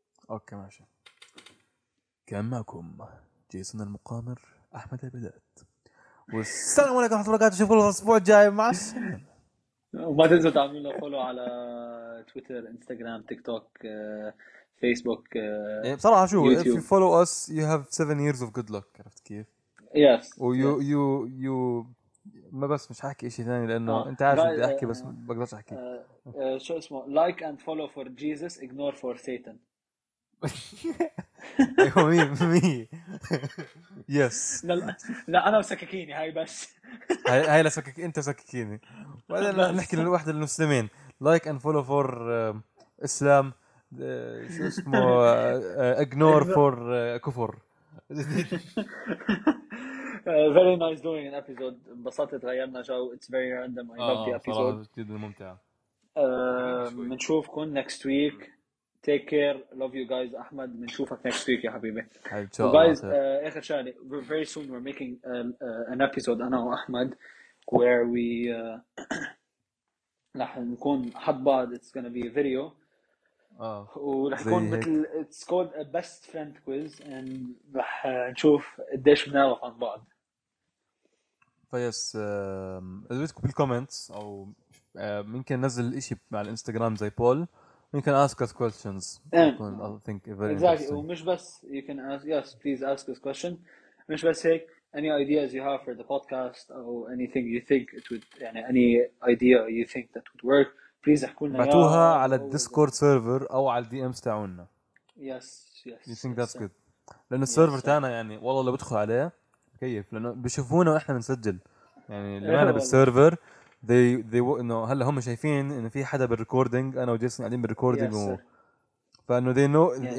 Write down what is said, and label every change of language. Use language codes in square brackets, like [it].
[ar] أوكي ماشي كماكم جيسون المقامر أحمد البدات والسلام عليكم ورحمة الله وبركاته شوفوا الأسبوع الجاي مع السلامة وما تنسوا تعملوا لنا فولو على تويتر انستغرام تيك توك فيسبوك بصراحة شو يوتيوب. [en] if you follow us you have 7 years of good luck [ar] عرفت كيف [en] yes [ar] و you ما بس مش حاكي اشي ثاني لانه انت عارف بدي احكي بس بقدرش احكي شو اسمه [en] like and follow for Jesus ignore for Satan [ar] ايوه مي مي يس لا انا وسكاكيني هاي بس هاي لسكك انت سكاكيني وبعدين نحكي للوحده المسلمين [en] like and follow for اسلام [ar] شو اسمه اجنور فور كفر [en] very nice doing an episode [ar] انبسطت غيرنا جو [en] it's very random I love the episode [ar] جدا ممتع [en] بنشوفكم next week take care love you guys احمد بنشوفك next week [ar] يا حبيبي [en] guys اخر شغله we're very soon we're making an episode [ar] انا واحمد [en] where we [ar] رح نكون حد بعض [en] it's gonna be a video [ar] ورح يكون مثل [en] it's called a best friend quiz and [ar] رح نشوف قديش بنعرف عن بعض فيس اذا بدكم بالكومنتس او ممكن نزل اشي على الانستغرام زي بول [en] You can ask us questions. I think very exactly. [ar] ومش بس [en] you can ask. Yes, please ask us questions. [ar] مش بس هيك. [en] Any ideas you have for the podcast or anything you think it would, يعني any idea you think that would work, please [ar] احكولنا. بعتوها على ال Discord server أو على DMs تاعونا. [en] Yes, yes. You think that's good? [ar] لأن السيرفر تاعنا يعني والله لو بدخل عليه كيف لأنه بشوفونا وإحنا بنسجل يعني لمعنا بالسيرفر. [en] they you know [ar] هلا هم شايفين انه في حدا بالريكوردينج انا وجيسون قاعدين بالريكوردينج yes, فانه [en] they know yes.